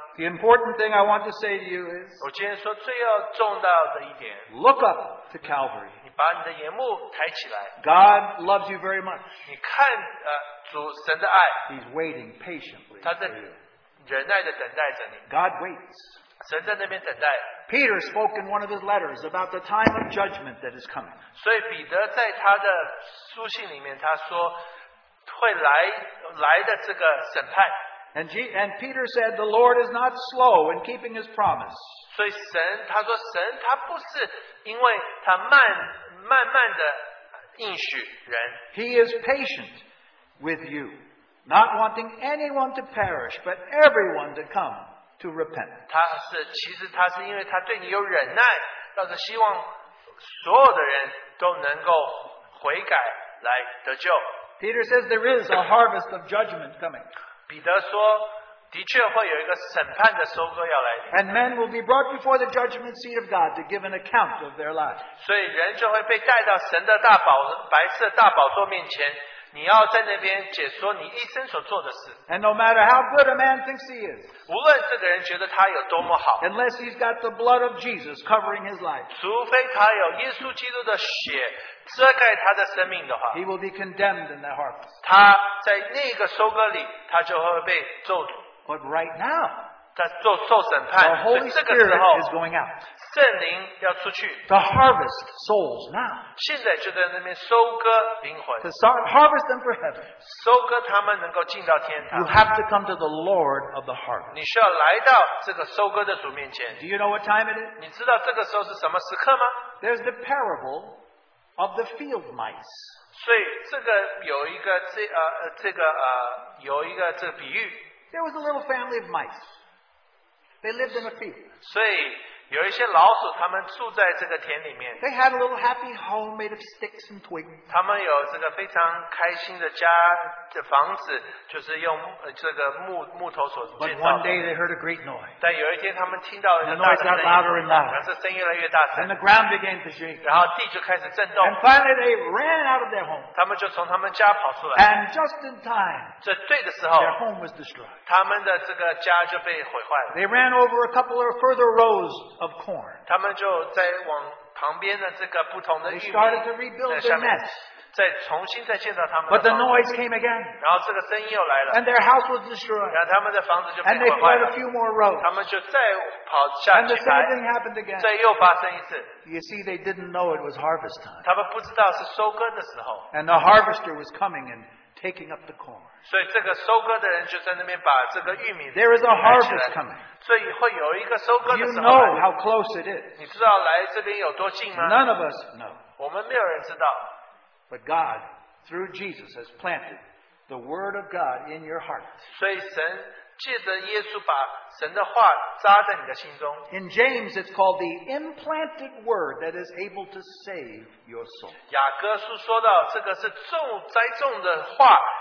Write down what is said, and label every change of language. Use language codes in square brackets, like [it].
[en] The important thing I want to say to you is, [zh] 我今天说最要重要的一点, [en] look up to Calvary. [zh] 你把你的眼目抬起来。 [en] God loves you very much. [zh] 你看, 主神的爱。 [en] He's waiting patiently. [zh] 他在忍耐地等待着你。 [en] God waits. [zh] 神在那边等待。 [en] Peter spoke in one of his letters about the time of judgment that is coming. [zh] 所以彼得在他的书信里面他说会来来的这个审判。 [en] And Peter said the Lord is not slow in keeping his promise. [zh] 所以神他说神他不是因为他慢慢的应许人。 [en] He is patient with you, not wanting anyone to perish, but everyone to come. To repent. [zh] 其实他是因为他对你有忍耐，但是希望所有的人都能够悔改来得救。 [en] Peter says there is a harvest of judgment coming. [zh] 彼得说，的确会有一个审判的收割要来临。 [en] And men will be brought before the judgment seat of God to give an account of their lives. [zh] 所以人就会被带到神的大宝白色大宝座面前。你要在那边解说你一生所做的事。 [en] And no matter how good a man thinks he is, [zh] 无论这个人觉得他有多么好， [en] unless he's got the blood of Jesus covering his life, [zh] 除非他有耶稣基督的血遮盖他的生命的话， [en] he will be condemned in that harvest. [zh] 他在那个收割里，他就会被咒诅。 [en] But right now, [zh] 他受审判。 [en] The Holy Spirit is going out. [zh] 圣灵要出去。 [en] To harvest souls now. [zh] 现在就在那边收割灵魂。 [en] To harvest them for heaven. [zh] 收割他们能够进到天堂。 [en] You have to come to the Lord of the harvest. [zh] 你需要来到这个收割的主面前。 [en] Do you know what time it is? [zh] 你知道这个时候是什么时刻吗？ [en] There's the parable of the field mice. [zh] 所以这个有一个这个比喻。 [en] There was a little family of mice. They lived in a field. [zh] 所以有一些老鼠，他们住在这个田里面。 [en] They had a little happy home made of sticks and twigs. [zh] 他们有这个非常开心的家的房子，就是用这个木头所建造的。 [en] But one day they heard a great noise. [zh] 但有一天他们听到一个大声音。 [en] The noise got louder and louder. [zh] 然后声音越来越大声。 [en] And the ground began to shake. [zh] 然后地就开始震动。 [en] And finally they ran out of their home. [zh] 他们就从他们家跑出来。 [en] And just in time. [zh] 这对的时候。 [en] Their home was destroyed. [zh] 他们的这个家就被毁坏了。 [en] They ran over a couple of further rows. Of corn. [zh] 他们就在往旁边的这个不同的玉米 [en] They started to rebuild their nets. [zh] 再重新再建造他们的 [en] But the noise came again. [zh] 然后这个声音又来了 [en] And their house was destroyed. [zh] 然后他们的房子就被毁坏 [en] And they fled a few more roads. [zh] 他们就再跑下去 [en] And the same thing happened again. [zh] 再又发生一次 [en] You see, they didn't know it was harvest time. [zh] 他们不知道是收割的时候 [en] And the harvester was coming and taking up the corn. [zh] 所以这个收割的人就在那边把这个玉米 [en] There is a harvest coming. [zh] 所以会有一个收割的时候。 [en] You know how close it is. [zh] 你知道来这边有多近吗 [en] ？None of us know. [zh] 我们没有人知道。 [en] But God, through Jesus, has planted the Word of God in your heart. [zh] 所以神借着耶稣把神的话扎在你的心中。 [en] In James, it's called the implanted Word that is able to save your soul. [zh] 雅各书说到这个是种栽种的话。